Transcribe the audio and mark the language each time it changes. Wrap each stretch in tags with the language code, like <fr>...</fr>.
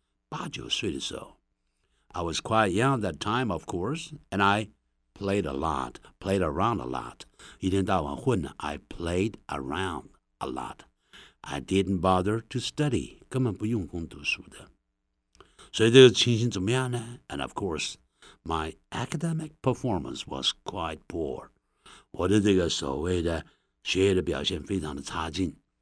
<zh>89岁的时候，</zh> <en>I was quite young at that time, of course, and I played a lot, played around a lot.</en> <zh>一天到晚混了，</zh> <en>I played around a lot. I didn't bother to study,</en> <zh>根本不用功读书的。所以这个情形怎么样呢？</zh> <en>And of course, my academic performance was quite poor.</en> <zh>我的这个所谓的学业的表现非常的差劲。</zh>